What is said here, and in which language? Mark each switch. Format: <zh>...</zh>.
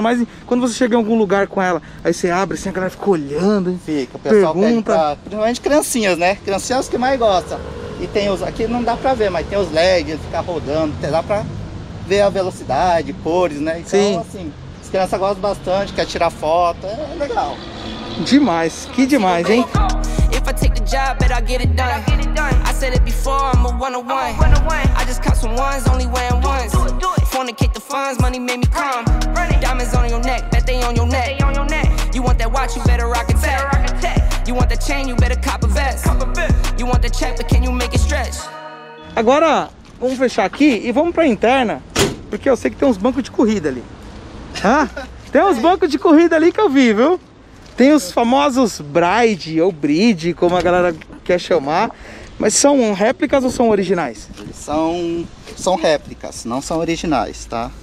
<pt>Mas quando você chega em algum lugar com ela, aí você abre assim, a galera fica olhando. Hein? Fica, o pessoal pergunta. Pede pra... Principalmente criancinhas, né? Criancinhas que mais gostam. E tem os. Aqui não dá pra ver, mas tem os LEDs, ficar rodando. Dá pra ver a velocidade, cores, né? Então, Sim. assim, as crianças gostam bastante, quer tirar foto. É legal. Demais, que demais, hein?</pt> <en>If I take the job, bet I'll get it done. I said it before, I'm a one-on-one. I just count some ones, only wearing ones. Fornicate the funds, money made me come. Diamonds on your neck, bet they on your neck. You want that watch, you better rock a tech. You want that chain, you better cop a vest. You want the check, but can you make it stretch?</en> <pt>Agora, vamos fechar aqui e vamos pra interna. Porque eu sei que tem uns bancos de corrida ali. Hã? Tem uns bancos de corrida ali que eu vi, viu? Tem os famosos Bride ou Bride, como a galera quer chamar. Mas são réplicas ou são originais? Eles são réplicas, não são originais, tá?</pt>